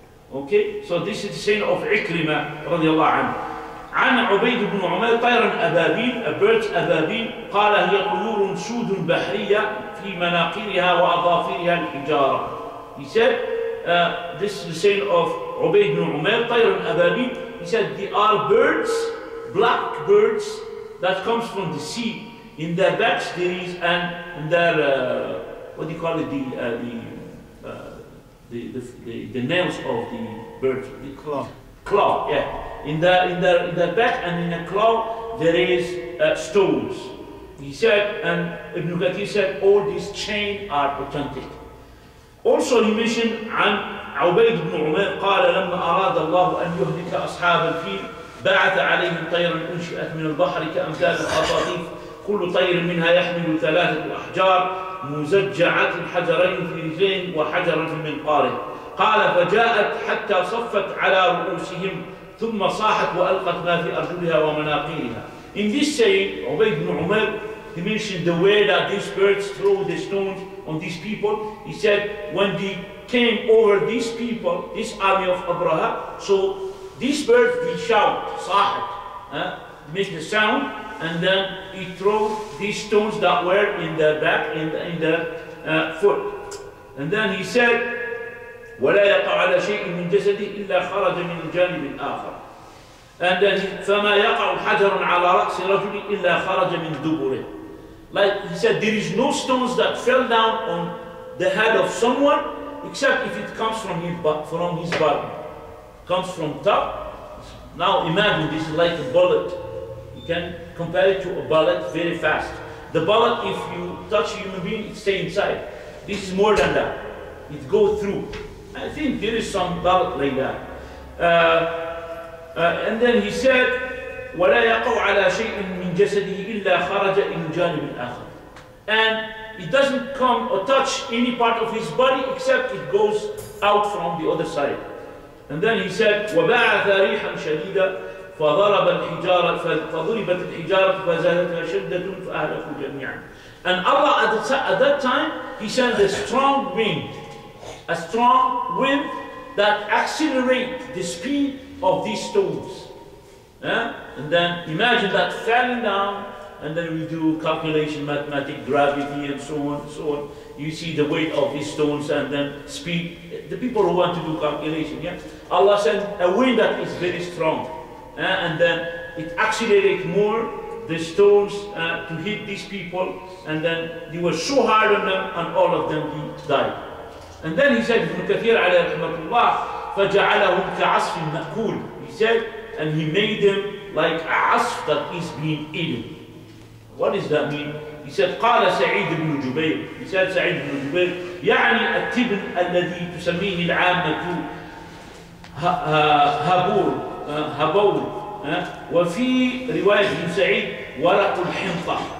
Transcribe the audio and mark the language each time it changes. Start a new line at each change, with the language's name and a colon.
English: Okay, so this is the saying of عكرمة رضي الله عنه.
Arabic: عن عبيد بن عمير طيرا أبابيل,
English: a bird
Arabic: أبابيل, قال هي طيور سود بحرية في مناقيرها وأظافرها الحجارة.
English: He said this is the saying of Ubayd ibn Umair, Tayr al-Ababi. He said, they are birds, black birds, that comes from the sea. In their backs there is, and in their, what do you call it, the nails of the bird. The claw. Claw, yeah. In their back and in the claw, there is stones. He said, and Ibn Kathir said, all these chains are authentic. Also, he mentioned
Arabic: عن عبيد بن عمير قال لما أراد الله أن يهلك أصحاب الفيل بعث عليهم طيرا أنشئت من البحر كأمثال القطاطيف كل طير منها يحمل ثلاثة أحجار مزجعة حجرين في رجلين وحجرا في منقاره قال فجاءت حتى صفت على رؤوسهم ثم صاحت وألقت ما في أرجلها ومناقيرها.
English: In this saying, Ubayd ibn Umair, he mentioned the way that these birds throw the stones on these people. He said, when they came over these people, this army of Abraha, so these birds, they shout, sahat, make the sound, and then he throw these stones that were in their back, in their foot. And then he said,
Arabic: ولا يقع على شيء من جسده إلا خرج من الجانب الآخر. And فما يقع حجر على رأس رجل إلا خرج من دبره.
English: Like he said, there is no stones that fell down on the head of someone except if it comes from his body. Comes from top. Now imagine this is like a bullet. You can compare it to a bullet very fast. The bullet, if you touch a human being, it stays inside. This is more than that. It goes through. I think there is some bullet like that. And then he said,
Arabic: ولا يقع على شيء من جسده إلا خرج من جانب آخر.
English: And it doesn't come or touch any part of his body except it goes out from the other side. And then he said,
Arabic: وبعث ريحا شديدة فضرب الحجارة فضربت الحجارة فزادتها شدة فأهلكوا جميعا.
English: And Allah at that time, he sent a strong wind that accelerate the speed of these stones. And then imagine that falling down, and then we do calculation, mathematics, gravity, and so on, and so on. You see the weight of these stones and then speed. The people who want to do calculation, yeah? Allah sent a wind that is very strong. And then it accelerated more the stones to hit these people, and then they were so hard on them, and all of them died. And then he said, Ibn Kathir alayhi rahmatullah,
Arabic: فَجَعَلَهُمْ كَعَصْفٍ مَأْكُولٍ.
English: He said, and he made them like a asf that is being eaten. What does that mean? He said,
Arabic: قَالَ سَعِيدُ بْنُ جُبَيْرٍ.
English: He said,
Arabic: سعيد بن جبير, يعني التبن الذي تسميه العامة هبور, هبور. وفي رواية ابن سعيد, ورق الحنطة.